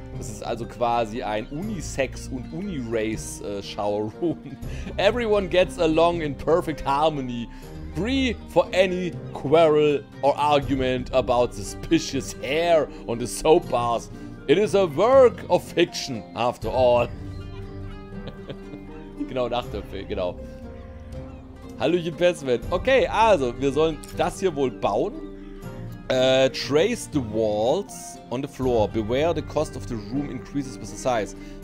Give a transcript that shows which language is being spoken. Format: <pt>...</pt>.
<de>Das ist also quasi ein Unisex- und Uni-Race-Shower-Room.</de> <en>Everyone gets along in perfect harmony. Free for any quarrel or argument about suspicious hair on the soap bars. It is a work of fiction, after all.</en> <de>Genau, nach der Film, genau. Hallo, Jepesman. Okay, also, wir sollen das hier wohl bauen.</de> <en>Trace the walls on the floor. Beware the cost of the room increases with the size.</en>